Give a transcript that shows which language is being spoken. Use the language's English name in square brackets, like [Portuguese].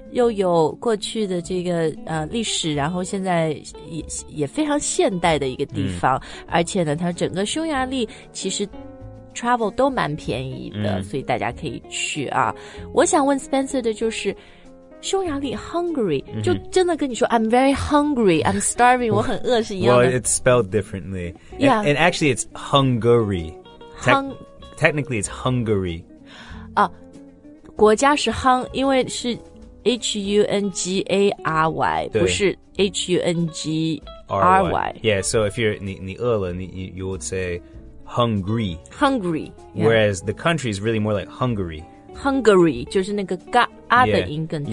[Chinese] 又有过去的这个、历史然后现在 也非常现代的一个地方、mm. 而且呢它整个匈牙利其实 travel 都蛮便宜的、mm. 所以大家可以去啊。我想问 Spencer 的就是匈牙利 Hungary、mm-hmm. 就真的跟你说 [English] I'm very hungry I'm starving [Chinese] 我很饿是一样的 [English] Well it's spelled differently Yeah And actually it's Hungary Technically it's Hungary [Chinese] 啊国家是 Hung 因为是 H-U-N-G-A-R-Y 不是 H-U-N-G-R-Y [English] Yeah so if you're [Chinese] 你饿了 [English] you would say Hungry Hungry、yeah. Whereas the country is really more like Hungary [Chinese] Hungary 就是那个嘎啊的音更重